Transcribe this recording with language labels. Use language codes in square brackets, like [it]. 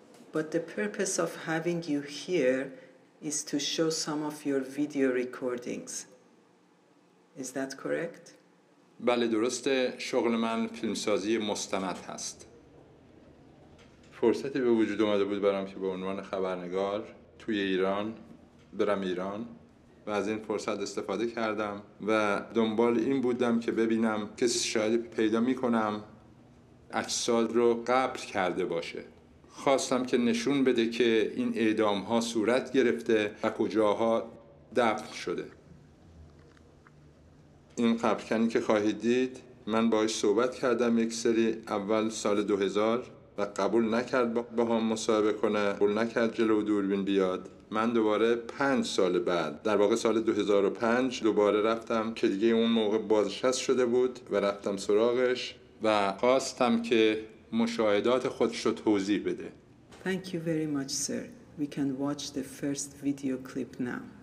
[en] But the purpose of having you here is to show some of your video recordings. Is that correct? [fa] بله درسته، شغل من فیلمسازی مستند هست. فرصتی به وجود اومده بود برام که به عنوان خبرنگار توی ایران برم ایران و از این فرصت استفاده کردم و دنبال این بودم که ببینم کسی شاید پیدا میکنم اجساد رو قبر کرده باشه. خواستم که نشون بده که این اعدام ها صورت گرفته و کجاها دفن شده. این قبرکنی که خواهید دید من باهاش صحبت کردم یک سری اول سال 2000 و قبول نکرد باهام مصاحبه کنه، قبول نکرد جلو دوربین بیاد. من دوباره 5 سال بعد، در واقع سال 2005 دوباره رفتم که دیگه اون موقع بازنشست شده بود و رفتم سراغش و خواستم که مشاهدات خودش رو توضیح بده. [en] Thank you very much, sir. We can watch the first video clip now.